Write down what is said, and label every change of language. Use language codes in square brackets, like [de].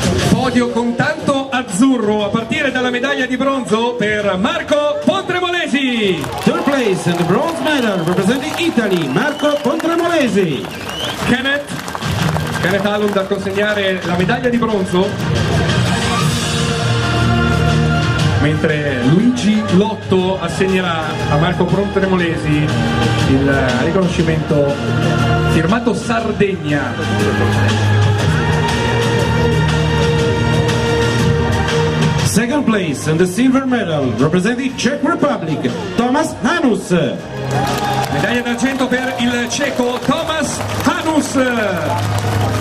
[it] Podio con tanto azzurro, a partire dalla medaglia di bronzo per Marco Pontremolesi. [en] Third place and bronze medal representing Italy, Marco Pontremolesi. [it] Kenneth Allund a consegnare la medaglia di bronzo, mentre Luigi Lotto assegnerà a Marco Pontremolesi il riconoscimento firmato Sardegna. [en] Second place and the silver medal representing Czech Republic, Thomas Hanus. [it] Medaglia d'argento per il ceco Thomas Hanus.